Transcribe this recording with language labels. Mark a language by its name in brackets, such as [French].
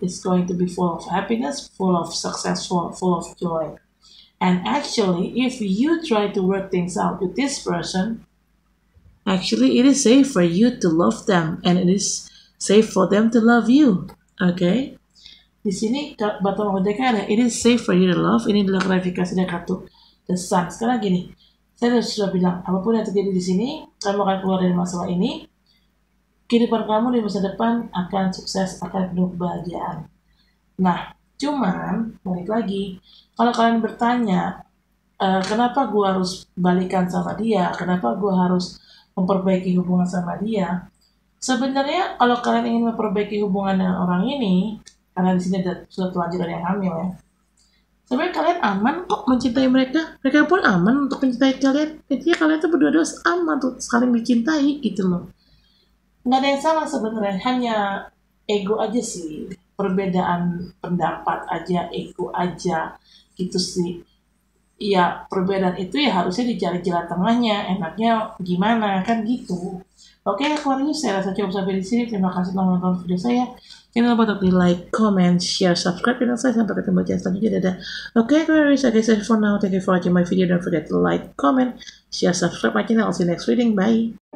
[English] It's going to be full of happiness, full of success, full of joy. And actually, if you try to work things out with this person, actually, it is safe for you to love them, and it is safe for them to love you. Okay? [Indonesian] Di sini, [English] bottom of the deck [Indonesian] ada, [English] it is safe for you to love. [Indonesian] Ini adalah klarifikasi dari kartu the sun. Sekarang gini, saya sudah bilang, apapun yang terjadi di sini, kamu akan keluar dari masalah ini. Kehidupan kamu di masa depan akan sukses, akan penuh kebahagiaan. Nah, cuman, balik lagi, kalau kalian bertanya, kenapa gua harus balikan sama dia, kenapa gua harus memperbaiki hubungan sama dia. Sebenarnya kalau kalian ingin memperbaiki hubungan dengan orang ini, karena di sini ada suatu lanjutan yang hamil ya. Sebenarnya kalian aman kok mencintai mereka. Mereka pun aman untuk mencintai kalian. Jadi kalian tuh berdua-dua aman tuh saling mencintai gitu loh. Nggak ada yang salah sebenarnya. Hanya ego aja sih. Perbedaan pendapat aja, ego aja gitu sih. Ya perbedaan itu ya harusnya dicari jalan tengahnya, enaknya gimana kan gitu. Oke, Aquarius, saya rasa cukup sampai di sini. Terima kasih telah menonton video saya. Jangan lupa untuk di like, comment, share, subscribe, dan saya sampai ketemu di selanjutnya. Dadah. [English] Oke, Aquarius, okay, that's it for now. Thank you for watching my video. Don't forget to like, comment, share, subscribe my channel. I'll see you next reading. Bye.